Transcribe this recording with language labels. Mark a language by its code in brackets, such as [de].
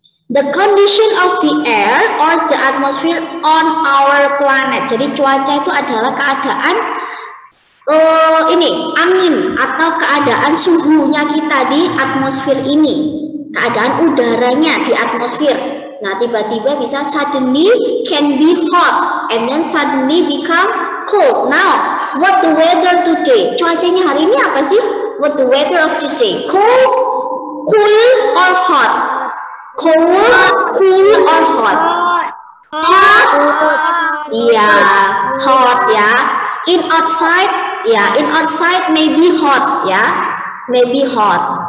[en] The condition of the air or the atmosphere on our planet. [id] Jadi cuaca itu adalah keadaan ini angin atau keadaan suhunya kita di atmosfer ini. Keadaan udaranya di atmosfer. Nah, tiba-tiba bisa [en] suddenly can be hot and then suddenly become cold. Now, what the weather today? [id] Cuacanya hari ini apa sih? [en] What the weather of today? Cold, cool, or hot? Cold, cool, or hot? Hot. Yeah, hot, yeah. In outside, yeah, in outside maybe hot, yeah. Maybe hot.